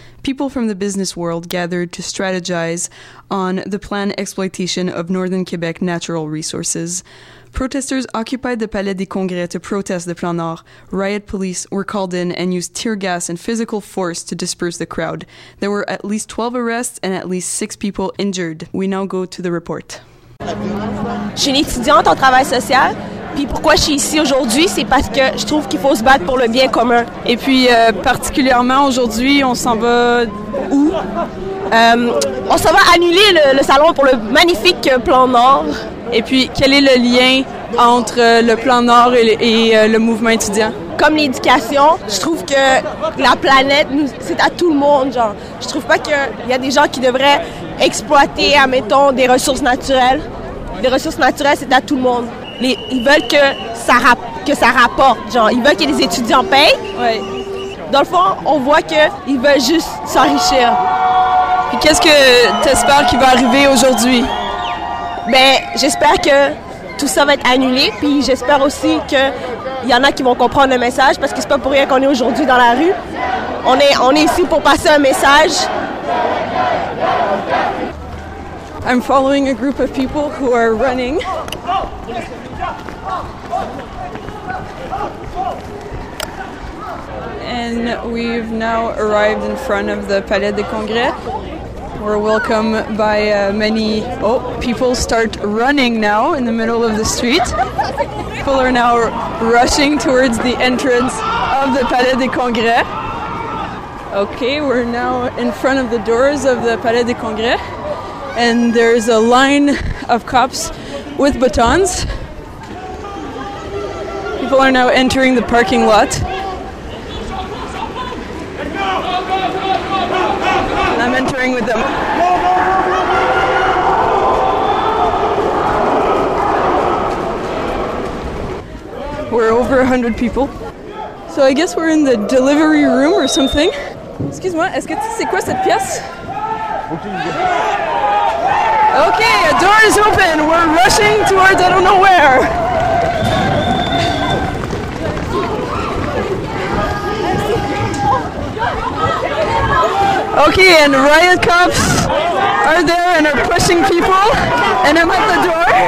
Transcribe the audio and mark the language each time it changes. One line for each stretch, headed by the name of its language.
English: People from the business world gathered to strategize on the planned exploitation of Northern Quebec natural resources. Protesters occupied the Palais des Congrès to protest the Plan Nord. Riot police were called in and used tear gas and physical force to disperse the crowd. There were at least 12 arrests and at least 6 people injured. We now go to the report.
French: Je suis une étudiante en travail social. Puis pourquoi je suis ici aujourd'hui, c'est parce que je trouve qu'il faut se battre pour le bien commun. Et puis particulièrement aujourd'hui, on s'en va où? On s'en va annuler le salon pour le magnifique Plan Nord. Et puis quel est le lien entre le Plan Nord et le mouvement étudiant? Comme l'éducation, je trouve que la planète, c'est à tout le monde, genre. Je trouve pas qu'il y a des gens qui devraient exploiter, admettons, des ressources naturelles. Les ressources naturelles, c'est à tout le monde. Ils veulent que ça rapporte, genre. Ils veulent que les étudiants payent. Ouais. Dans le fond, on voit qu'ils veulent juste s'enrichir. Puis qu'est-ce que tu espères qui va arriver aujourd'hui? Ben, j'espère que tout ça va être annulé, puis j'espère aussi que il y en a qui vont comprendre le message, parce que c'est pas pour rien qu'on est aujourd'hui dans la rue. On est ici pour passer un message.
English: I'm following a group of people who are running. And we've now arrived in front of the Palais des Congrès. We're welcomed by many... Oh, people start running now in the middle of the street. People are now rushing towards the entrance of the Palais des Congrès. Okay, we're now in front of the doors of the Palais des Congrès. And there's a line of cops with batons. People are now entering the parking lot. I'm entering with them. We're over 100 people. So I guess we're in the delivery room or something.
French: Excuse-moi, est-ce que c'est quoi cette pièce?
English: Okay, a door is open. We're rushing towards I don't know where. Okay, and riot cops are there and are pushing people. And I'm at the door.